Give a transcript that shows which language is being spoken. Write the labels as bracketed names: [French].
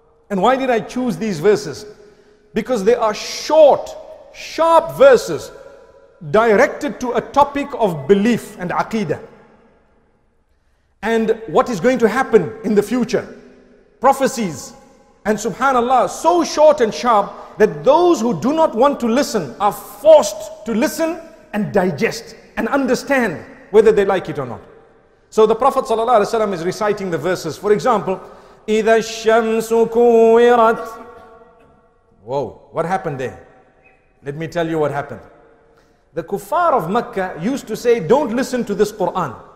[English] And why did I choose these verses? Because they are short, sharp verses directed to a topic of belief and aqidah, and what is going to happen in the future, prophecies. And subhanallah, so short and sharp that those who do not want to listen are forced to listen and digest and understand whether they like it or not. So the Prophet sallallahu alaihi wasallam is reciting the verses. For example, [Arabic] إِذَا الشَّمْسُ كُوِّرَتْ. [English] Whoa, what happened there? Let me tell you what happened. The kuffar of Mecca used to say, don't listen to this Quran.